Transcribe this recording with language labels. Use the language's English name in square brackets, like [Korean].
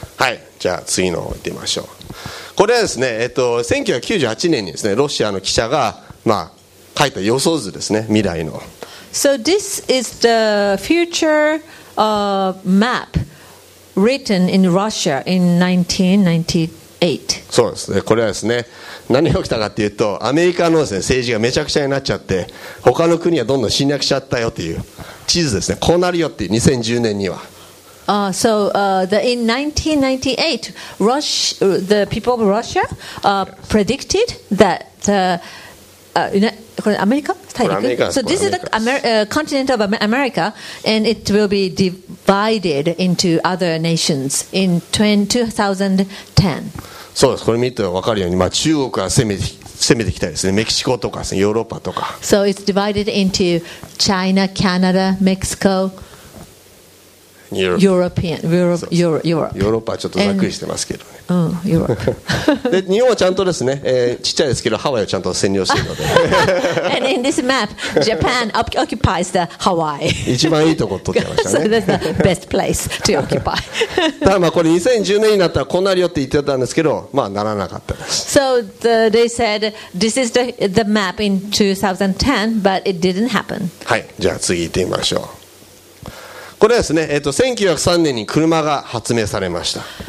[Japanese] はい、じゃあ次のを見てみましょう。これはですね、1998年にですね、ロシアの記者が、まあ、書いた予想図ですね、未来の。 [English] So this is the future, map written in Russia in 1998. 8. [Japanese] そうですね。これはですね、何が起きたかっていうと、アメリカのですね、政治がめちゃくちゃになっちゃって、他の国はどんどん侵略しちゃったよっていう地図ですね。こうなるよっていう2010年には。 [English] In 1998, the people of Russia predicted that [Japanese] アメリカ。 [English] So this is the continent of America, and it will be divided into other nations in 2010. [Japanese] そうです。これ見ると分かるように、まあ、中国は攻めてきたりですね。メキシコとかですね、ヨーロッパとか。 [English] So it's divided into China, Canada, Mexico. [Japanese] ヨーロッパはちょっとざっくりしてますけどね。ヨーロッパ。で、日本はちゃんとですね、ちっちゃいですけど、ハワイをちゃんと占領しているので。 [English] And in this map, Japan occupies the Hawaii. [Japanese] 一番いいとこ取ってましたね。 [English] So that's the best place to occupy. [Japanese] ただまあこれ2010年になったらこうなるよって言ってたんですけど、まあならなかったです。 [English] So they said this is the map in 2010, but it didn't happen. [Japanese] はい、じゃあ次行ってみましょう。これはですね、1903年に車が発明されました。